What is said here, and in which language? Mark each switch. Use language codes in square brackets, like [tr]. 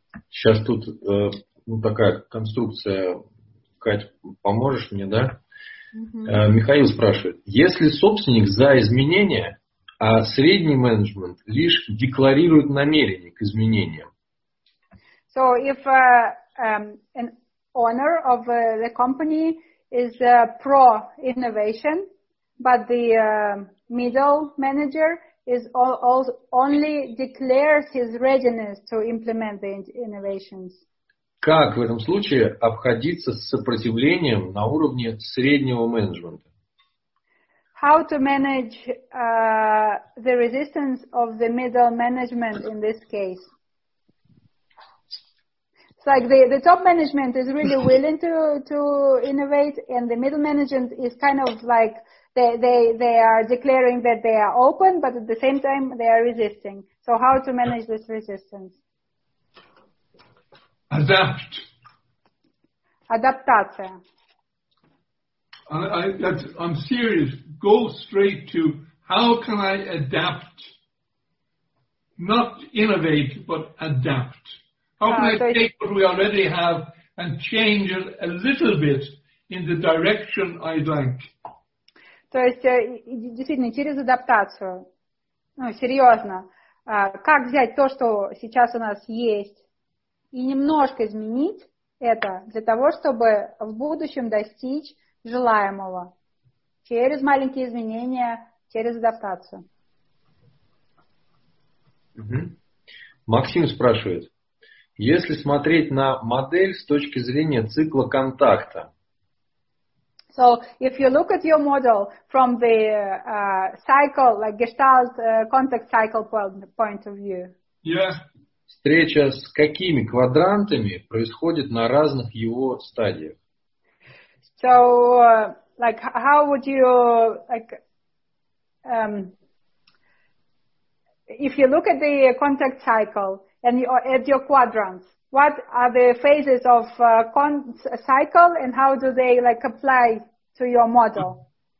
[ru] Сейчас тут такая конструкция. Кать, поможешь мне, да? Михаил спрашивает, если собственник за изменения, а средний менеджмент лишь декларирует намерение к изменениям? [en] So if an owner of the company is pro innovation, but the middle manager is only declares his readiness to implement the innovations. [ru] Как в этом случае обходиться с сопротивлением на уровне среднего менеджмента? [en] How to manage the resistance of the middle management in this case? It's like the top management is really willing to innovate, and the middle management is kind of like they are declaring that they are open, but at the same time they are resisting. So how to manage this resistance? Adapt. [ru] Адаптация. [en] I'm serious. Go straight to how can I adapt? Not innovate, but adapt. How can I take what we already have and change it a little bit in the direction I'd like? [ru] То есть, действительно, через адаптацию. Ну, серьезно. Как взять то, что сейчас у нас есть, и немножко изменить это для того, чтобы в будущем достичь желаемого через маленькие изменения, через адаптацию. Максим спрашивает, если смотреть на модель с точки зрения цикла контакта. [en] So if you look at your model from the cycle, like gestalt contact cycle point of view. Yes. [ru] Встреча с какими квадрантами происходит на разных его стадиях? [en] So, like, how would you, like, if you look at the contact cycle and you, at your quadrants, what are the phases of cycle and how do they, like, apply to your model?